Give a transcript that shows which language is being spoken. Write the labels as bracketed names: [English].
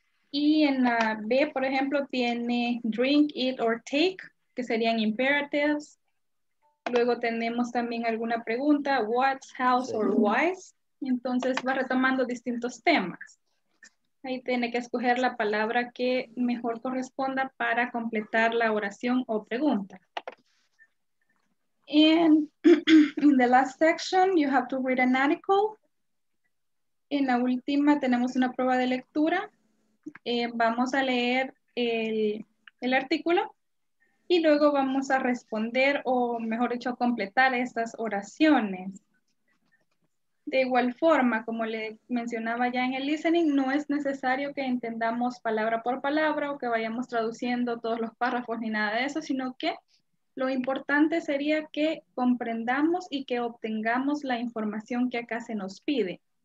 [Spanish] Y en la B, por ejemplo, tiene drink, eat, or take, que serían imperatives. Luego tenemos también alguna pregunta, what, how, or why. Entonces va retomando distintos temas. Ahí tiene que escoger la palabra que mejor corresponda para completar la oración o pregunta. [English] And in the last section, you have to read an article. [Spanish] En la última tenemos una prueba de lectura. Vamos a leer el artículo y luego vamos a responder o mejor dicho, completar estas oraciones. De igual forma, como le mencionaba ya en el listening, no es necesario que entendamos palabra por palabra o que vayamos traduciendo todos los párrafos ni nada de eso, sino que lo importante sería que comprendamos y que obtengamos la información que acá se nos pide.